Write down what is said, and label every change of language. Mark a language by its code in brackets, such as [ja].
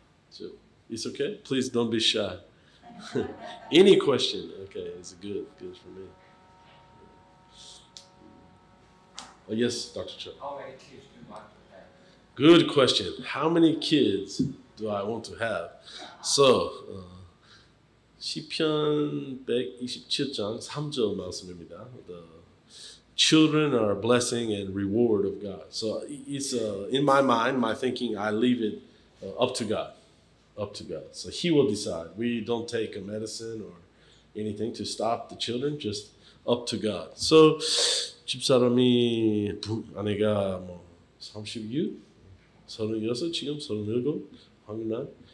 [en] So it's okay? Please don't be shy. Any question? Okay, it's good for me. Yes, Dr. Cha. How many kids do you want to have? Good question. How many kids do I want to have? [ko] So, 시편 127장 3절 말씀입니다. [en] The children are a blessing and reward of God. So it's in my mind, my thinking, I leave it up to God. So he will decide. We don't take a medicine or anything to stop the children, just up to God. [ko] So 집사람이 아내가 뭐 36, 36, 지금 37, 황윤환.